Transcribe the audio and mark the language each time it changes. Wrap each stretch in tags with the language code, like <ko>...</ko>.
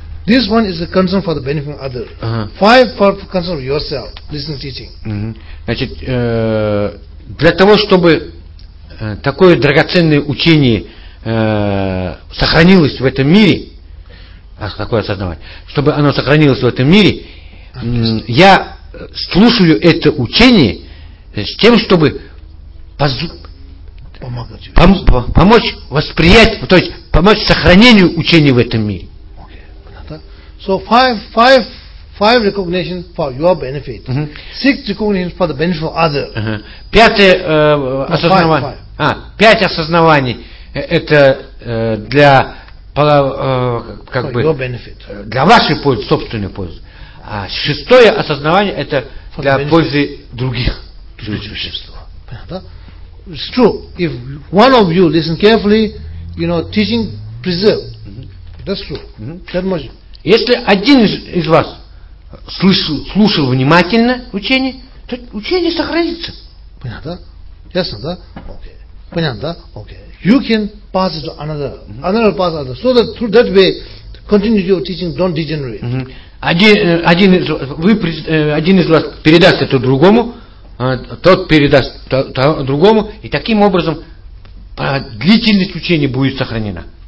<en>This one is a concern for the benefit of others. Five for concern of yourself, listening teaching.</en> <ru>Значит, для того чтобы такое драгоценное учение сохранилось в этом мире. Какое осознавание? Чтобы оно сохранилось в этом мире, я слушаю это учение с тем, чтобы помочь восприять, то есть помочь сохранению учений в этом мире.</ru> <en>So five recognition for your benefit. Uh-huh. Six recognition for the benefit of others. Uh-huh.</en> <ru>Пятое осознавание. Пять осознаваний это для как бы для вашей пользы, собственной пользы. А шестое осознавание это для пользы других существ.</ru> <en>It's true. If one of you listen carefully, you know, teaching preserve. That's true. Mm-hmm. That much.</en> <ru>Если один из вас слушал внимательно учение, то учение сохранится. Понятно? Ясно, да? Окей. Понятно, да? Окей.</ru> <en>You can pass it to another. Mm-hmm. Another pass to another. So that through that way, continuity of teaching don't degenerate. Mm-hmm.</en> <ru>Один из вас передаст это другому, тот передаст другому, и таким образом длительность учения будет сохранена.</ru>